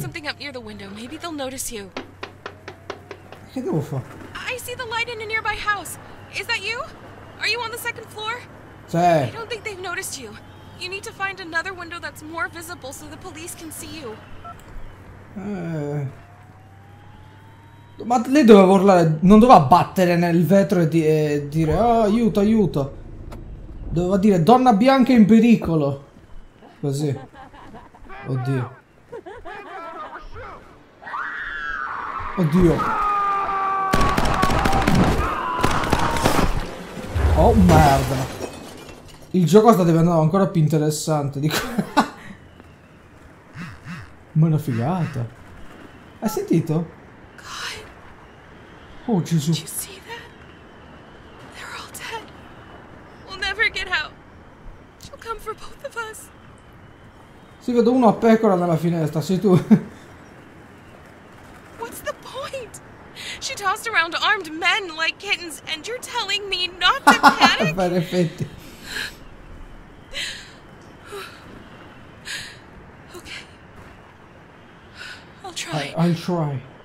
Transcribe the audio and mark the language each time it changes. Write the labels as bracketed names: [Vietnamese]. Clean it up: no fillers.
[English] something up near the window. Maybe they'll notice you. [Italian] Che devo fare? [English] I see the light in a nearby house. Is that you? Are you on the second floor? I [Italian] Sì. [English] don't think they've noticed you. You need to find another window that's more visible so the police can see you. [Italian] Ma lei doveva urlare, non doveva battere nel vetro e dire oh, aiuto, aiuto. Doveva dire donna bianca in pericolo. Così. Oddio. Oddio. Oh merda. Il gioco sta diventando ancora più interessante di qua. Ma una figata. Hai sentito? Oh Gesù. [English] Did you see that? They're all dead. We'll never get out. She'll come for both of us. [Italian] Si vede uno a pecora dalla finestra, sei tu. [English] What's the point? She tossed around armed men like kittens, and you're telling me not to panic? [Italian] Effetti. [English] I'll try. I'll try.